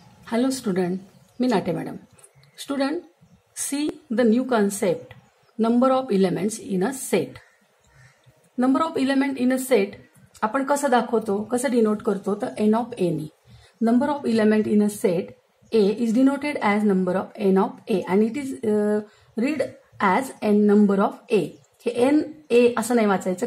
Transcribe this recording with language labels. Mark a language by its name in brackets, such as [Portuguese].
[Marathi] Hello student, मी नाटे madam. [English] Student, see the new concept number of elements in a set. Number of element in a set [Marathi] आपण कसं दाखवतो, कसं denote करतो, तर N of any. [English] Number of element in a set A is denoted as number of n of A and it is read as n number of A. [Marathi] हे N A असं नाही वाचायचं.